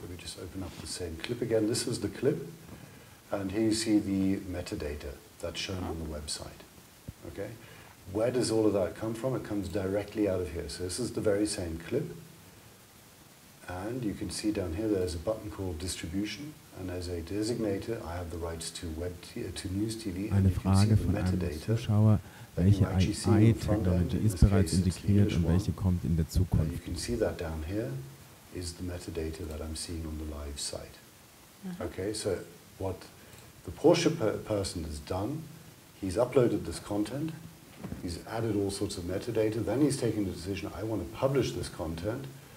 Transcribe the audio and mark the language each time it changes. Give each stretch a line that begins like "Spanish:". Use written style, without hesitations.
English: Let me just open up the same clip again. This is the clip. And here you see the metadata that's shown on the website. Okay? Where does all of that come from? It comes directly out of here. So this is the very same clip. And you can see down here there's a button called distribution. And as a designator, I have the rights to web to News TV.
German: Eine Frage von einem Zuschauer, welche AI-Technologie ist bereits integriert und welche kommt in der Zukunft?
English: You can see that down here is the metadata that I'm seeing on the live site. Okay, so what the Porsche person has done, he's uploaded this content, he's added all sorts of metadata, then he's taken the decision, I want to publish this content.